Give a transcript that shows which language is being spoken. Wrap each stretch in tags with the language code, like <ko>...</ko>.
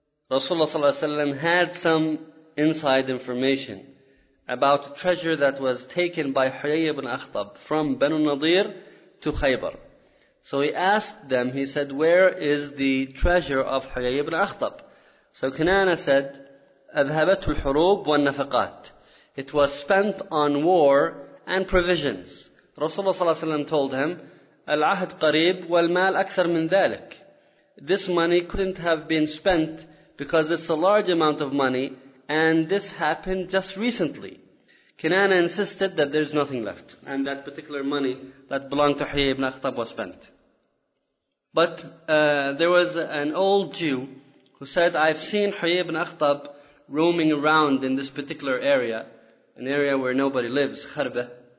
<en>Rasulullah ﷺ had some inside information about treasure that was taken by Huyay ibn Akhtab from Banu Nadir to Khaybar. So he asked them, he said, where is the treasure of Huyay ibn Akhtab? So Kunana said,</en> <ar>أَذْهَبَتُ الْحُرُوبُ وَالنَّفَقَاتِ.</ar> <en>It was spent on war and provisions. Rasulullah ﷺ told him,</en> <ar>الْعَهْدْ قَرِيبُ وَالْمَالِ أَكْثَرْ مِنْ ذَلِكَ.</ar> <en>This money couldn't have been spent because it's a large amount of money and this happened just recently. Kinana insisted that there's nothing left and that particular money that belonged to Huyay ibn Akhtab was spent. But there was an old Jew who said, I've seen Huyay ibn Akhtab roaming around in this particular area, an area where nobody lives, Kharba.</en>